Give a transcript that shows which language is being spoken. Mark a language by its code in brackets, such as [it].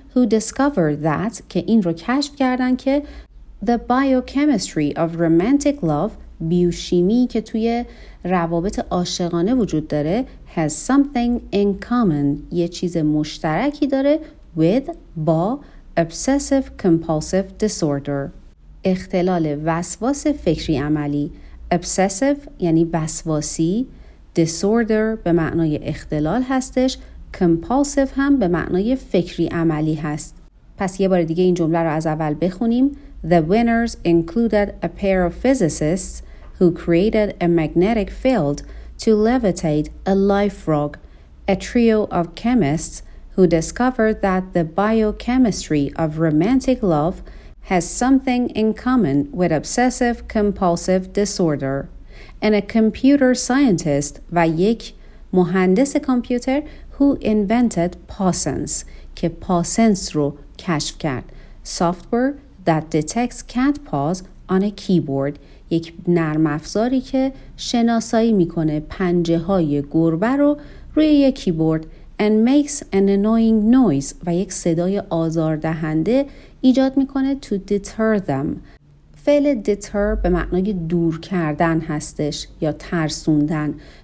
[en] Who discovered that، [fa] که این رو کشف کردن که [en] the biochemistry of romantic love، [fa] بیوشیمی که توی روابط عاشقانه وجود داره، [en] has something in common، [fa] یه چیز مشترکی داره [en] with [fa] با [en] obsessive compulsive disorder، [fa] اختلال وسواس فکری عملی. obsessive یعنی وسواسی، disorder به معنای اختلال هستش، compulsive هم به معنای فکری عملی هست. پس یه بار دیگه این جمله رو از اول بخونیم. [en] The winners included a pair of physicists who created a magnetic field to levitate a live frog, a trio of chemists who discovered that the biochemistry of romantic love has something in common with obsessive compulsive disorder, and a computer scientist [fa] و یک مهندس کامپیوتر [en] who invented Parsons [fa] که Parsons رو کشف کرد. [en] Software that detects cat paws on a keyboard. [fa] یک نرم افزاری که شناسایی میکنه پنجه های گربه رو روی یک کیبورد. [en] And makes an annoying noise [fa] و یک صدای آزاردهنده ایجاد میکنه [en] to deter them. [fa] فعل deter به معنای دور کردن هستش یا ترسوندن.